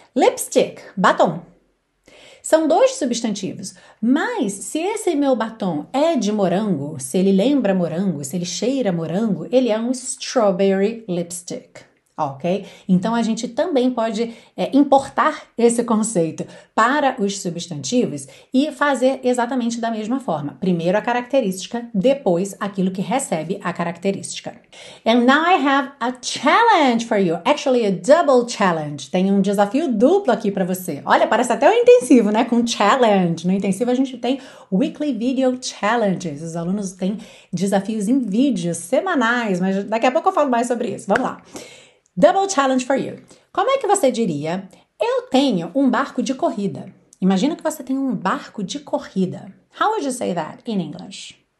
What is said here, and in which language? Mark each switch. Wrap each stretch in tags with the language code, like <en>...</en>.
<pt>Lipstick, batom. São dois substantivos, mas se esse meu batom é de morango, se ele lembra morango, se ele cheira morango, ele é um</pt> <en>strawberry lipstick,</en> <pt>ok? Então a gente também pode importar esse conceito para os substantivos e fazer exatamente da mesma forma. Primeiro a característica, depois aquilo que recebe a característica.</pt> <en>And now I have a challenge for you. Actually, a double challenge.</en> <pt>Tem um desafio duplo aqui para você. Olha, parece até um intensivo, né? Com challenge. No intensivo a gente tem</pt> <en>weekly video challenges.</en> <pt>Os alunos têm desafios em vídeos semanais, mas daqui a pouco eu falo mais sobre isso. Vamos lá.</pt> <en>Double challenge for you.</en> <pt>Como é que você diria... Eu tenho um barco de corrida. Imagina que você tem um barco de corrida.</pt> <en>How would you say that in English?</en>